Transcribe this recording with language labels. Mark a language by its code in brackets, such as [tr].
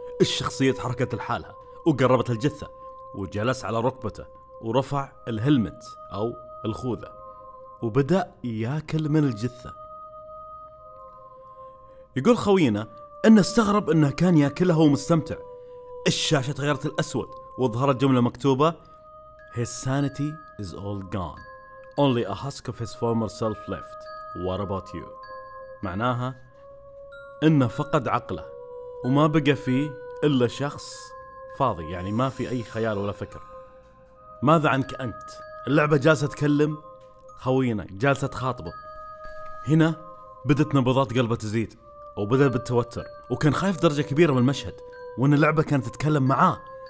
[ar] الشخصية تحركت لحالها وقربت الجثة وجلس على ركبته ورفع الهلمت أو الخوذة وبدأ يأكل من الجثة. يقول خوينا أنه استغرب أنه كان يأكلها ومستمتع. الشاشة تغيرت الأسود وظهرت جملة مكتوبة: [en] His sanity is all gone. Only a husk of his former self left. What about you? [ar] معناها أنه فقد عقله وما بقى فيه إلا شخص فاضي، يعني ما في أي خيال ولا فكر. ماذا عنك أنت؟ اللعبة جالسة تكلم، خوينا جالسة تخاطبه. هنا بدت نبضات قلبه تزيد وبدأ بالتوتر، وكان خايف درجة كبيرة من المشهد، وأن اللعبة كانت تتكلم معاه.